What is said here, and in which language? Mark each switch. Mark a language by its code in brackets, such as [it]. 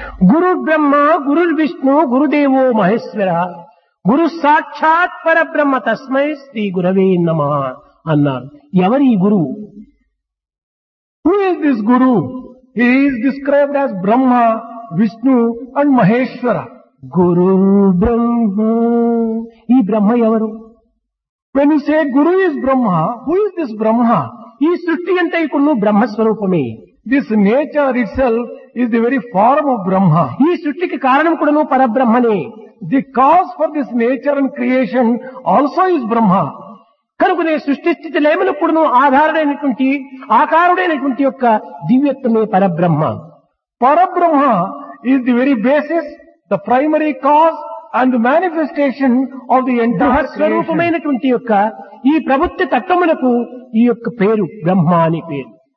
[sa] గురు బ్రహ్మ, గురు విష్ణు, గురుదేవో మహేశ్వర, గురు సాక్షాత్ పరబ్రహ్మ, తస్మై శ్రీ గురవే నమః [te] అన్నారు. ఎవరి గురు? [en] Who is this గురు? He is described as Brahma, Vishnu and Maheshwara. [te] Guru Brahma. Ee Brahma evaru? [en] When you say Guru is Brahma, who is this Brahma? [te] Ee srushti ante ikkunu Brahma swaroopame. [en] This nature itself is the very form of Brahma. [te] Ee srushti ki karanam kudanu parabrahmane. [en] The cause for this nature and creation also is Brahma. [te] కనుకనే సృష్టి స్థితి లేమనప్పుడు ఆధారుడైనటువంటి, ఆకారుడైనటువంటి యొక్క దివ్యత్వమే పరబ్రహ్మ. [en] పరబ్రహ్మ is the very basis, the primary cause and manifestation of the entire [te] స్వరూపమైనటువంటి యొక్క ఈ ప్రభుత్వ తత్వమునకు ఈ యొక్క పేరు బ్రహ్మ అనే పేరు.